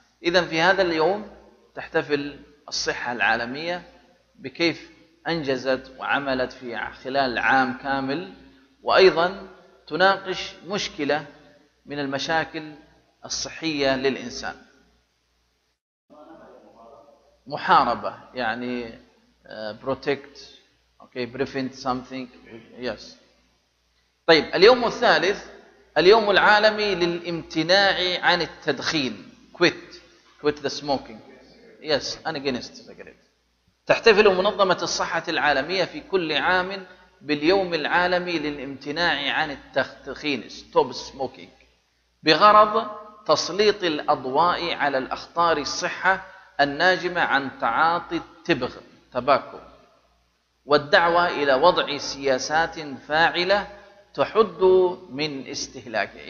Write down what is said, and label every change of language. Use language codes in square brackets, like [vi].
[ar] إذن في هذا اليوم تحتفل الصحة العالمية بكيف أنجزت وعملت في خلال عام كامل، وأيضا تناقش مشكلة من المشاكل الصحية للإنسان. محاربة يعني [en] protect، okay, prevent something. Yes. [ar] طيب اليوم الثالث اليوم العالمي للامتناع عن التدخين، [en] quit، quit the smoking. Yes, I'm against cigarette. [ar] تحتفل منظمة الصحة العالمية في كل عام باليوم العالمي للامتناع عن التدخين، [en] stop smoking، [ar] بغرض تسليط الأضواء على الأخطار الصحة الناجمة عن تعاطي التبغ تباكو، والدعوة إلى وضع سياسات فاعلة تحد من استهلاكه.